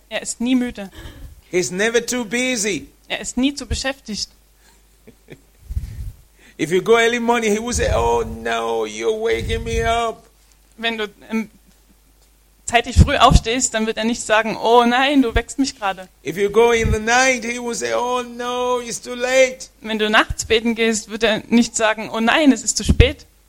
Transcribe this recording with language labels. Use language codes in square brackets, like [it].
[de] Er ist nie müde. [en] He is never too busy. [de] Er ist nie zu beschäftigt. [en] If you go early morning, he will say, "Oh no, you're waking me up." [de] Wenn du zeitig früh aufstehst, dann wird er nicht sagen, "Oh nein, du weckst mich gerade." [en] If you go in the night, he will say, "Oh no, it's too late." [de] Wenn du nachts beten gehst, wird er nicht sagen, "Oh nein, es ist zu spät."